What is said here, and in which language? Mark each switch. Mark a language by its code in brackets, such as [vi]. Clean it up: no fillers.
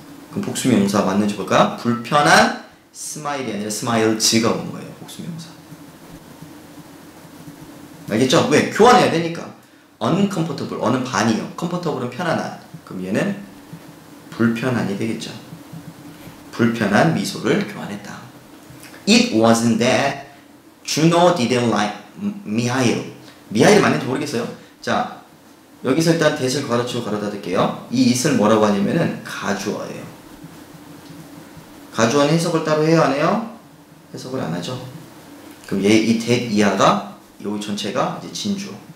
[ko] 그럼 복수명사 맞는지 볼까? 불편한 스마일이 아니라 smiles가 온 거예요. 복수명사. 알겠죠? 왜? 교환해야 되니까. uncomfortable, 어는 반이요. comfortable은 편안한. 그럼 얘는 불편한이 되겠죠. 불편한 미소를 교환했다. [en] It wasn't that Juno didn't like Mihail. [ko] Mihail 맞는지 모르겠어요. 자, 여기서 일단 that을 가로치고 가로다 드릴게요. 이 it을 뭐라고 하냐면은 가주어예요. 가주어는 해석을 따로 해요, 안 해요? 해석을 안 하죠. 그럼 얘 이 that 이하가 여기 전체가 이제 진주.